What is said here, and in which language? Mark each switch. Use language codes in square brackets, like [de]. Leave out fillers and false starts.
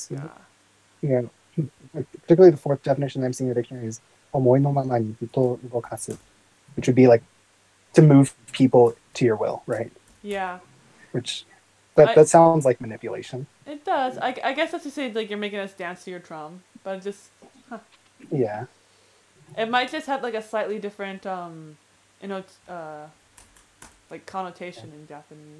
[en] see. Yeah. Particularly the fourth definition I'm seeing in the dictionary is [ja] 思いのままにずっと動かす。 [en] Which would be like to move people to your will, right? Yeah. Which, that sounds like manipulation. It does. I guess that's to say like you're making us dance to your drum, but just, huh. Yeah. It might just have like a slightly different, like connotation in Japanese.